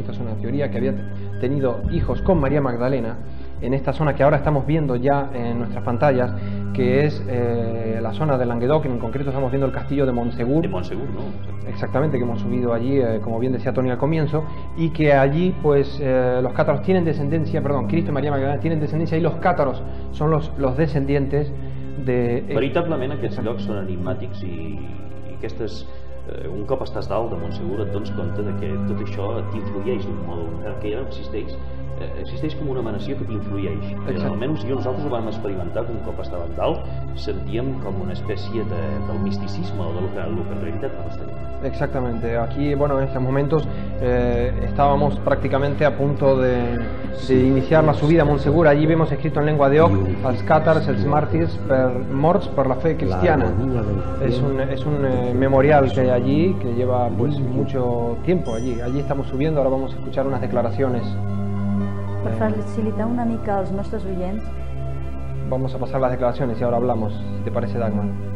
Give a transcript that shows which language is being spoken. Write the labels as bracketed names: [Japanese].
[Spanish] Esta es una teoría, que había tenido hijos con María Magdalena en esta zona que ahora estamos viendo ya en nuestras pantallas, que es la zona de Languedoc, en concreto estamos viendo el castillo de Montsegur. De Montsegur, ¿no? Exactamente, que hemos subido allí, como bien decía Tony al comienzo, y que allí, pues, los cátaros tienen descendencia, perdón, Cristo y María Magdalena tienen descendencia, y los cátaros son los descendientes. [Catalan] Veritablement aquests llocs són enigmàtics i aquestes, un cop estàs dalt de Montsegur et dones compte que tot això t'influeix d'un modo, que ja no existeix, existeix com una emanació que t'influeix. Almenys jo, nosaltres ho vam experimentar, que un cop estàvem dalt sentíem com una espècie del misticisme o del que en realitat vam estar. Exactament. Aquí, bueno, en aquests moments estàvem pràcticament a punt de... [Spanish] de iniciar la subida a Montsegur. Allí vemos escrito en lengua de Oc, [Occitan] als cátars, els mártires, per morts, per la fe cristiana. [Spanish] Es un memorial que hay allí, que lleva, pues, mucho tiempo allí. Allí estamos subiendo, ahora vamos a escuchar unas declaraciones. [Catalan] Per facilitar una mica als nostres oients. [Spanish] Vamos a pasar las declaraciones y ahora hablamos, si te parece, Dagmar.